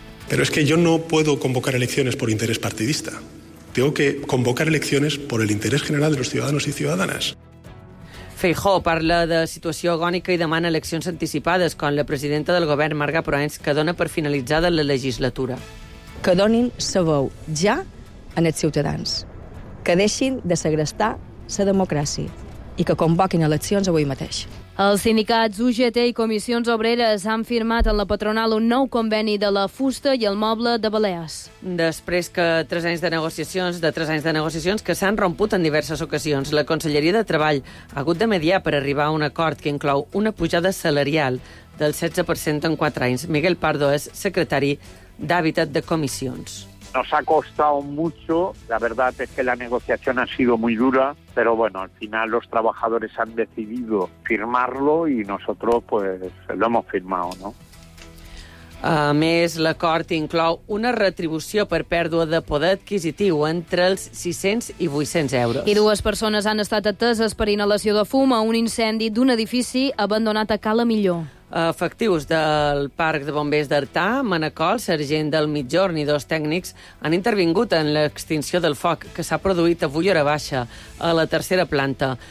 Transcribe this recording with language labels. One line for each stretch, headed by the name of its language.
Spanish: Pero es que yo no puedo convocar elecciones por interés partidista. Tengo que convocar elecciones por el interés general de los ciudadanos y ciudadanas.
Catalan: Feijó parla de situació agònica i demana eleccions anticipades, quan la presidenta del govern, Marga Proens, que dona per finalitzada la legislatura. Que donin sa veu ja en els ciutadans, que deixin de segrestar sa democràcia i que convoquin eleccions avui mateix. Els sindicats UGT i Comissions Obreres han firmat en la patronal un nou conveni de la fusta i el moble de Balears. Després que tres anys de negociacions que s'han romput en diverses ocasions, la Conselleria de Treball ha hagut de mediar per arribar a un acord que inclou una pujada salarial del 16% en 4 anys. Miguel Pardo és secretari d'Hàbitat de Comissions.
Spanish: Nos ha costado mucho, la verdad es que la negociación ha sido muy dura, pero bueno, al final los trabajadores han decidido firmarlo y nosotros pues lo hemos firmado, ¿no?
Catalan: A més, l'acord inclou una retribució per pèrdua de poder adquisitiu entre els 600 i 800 euros. I dues persones han estat ateses per inhalació de fum a un incendi d'un edifici abandonat a Cala Millor. Efectius del Parc de Bombers d'Artà, Manacol, sergent del Migjorn i dos tècnics han intervingut en l'extinció del foc que s'ha produït avui hora baixa a la tercera planta.